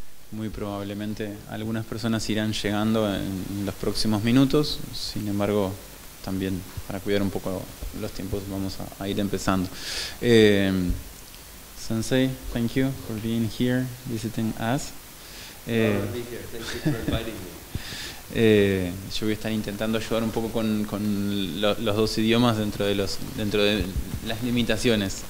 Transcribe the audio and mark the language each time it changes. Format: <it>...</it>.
<es>Muy probablemente algunas personas irán llegando en los próximos minutos, sin embargo, también para cuidar un poco los tiempos vamos a ir empezando.</es> <en>Sensei, thank you for being here, visiting us.</en> <es>Yo voy a estar intentando ayudar un poco con los dos idiomas dentro de las limitaciones.</es>